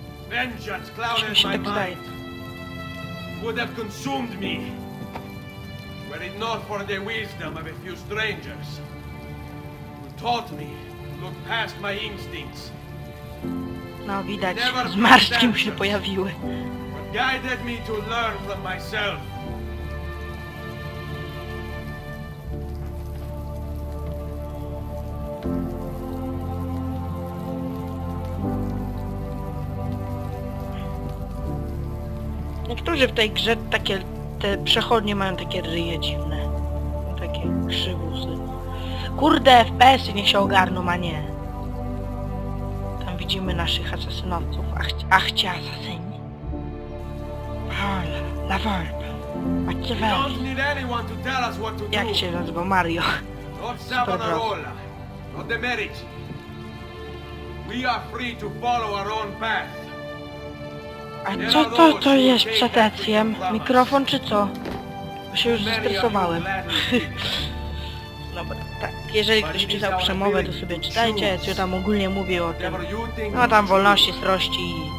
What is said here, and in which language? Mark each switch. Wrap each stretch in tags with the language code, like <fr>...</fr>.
<en>Vengeance clouded my mind. Would have consumed me were it not for the wisdom of a few strangers who taught me to look past my instincts.</en> <pl>No, widać, z marszkiem się pojawiły.</pl> <en>But guided me to learn from myself.</en> <pl>Niektórzy w tej grze takie, te przechodnie mają takie ryje dziwne. Takie krzywusy. Kurde, FPS-y niech się ogarną, a nie. Tam widzimy naszych asasynowców. Ach ci asasyni. Paola, la Volpe, Machiavelli. Jak się nazywa? Mario.</pl> <en>Not Savonarola, not the Medici. We are free to follow our own path.</en> <pl>A co to jest przed Ezio? Mikrofon czy co? Bo się już zestresowałem. Dobra, tak, jeżeli ktoś czytał przemowę, to sobie czytajcie. Ezio tam ogólnie mówi o tym. No tam wolności, strości i...</pl>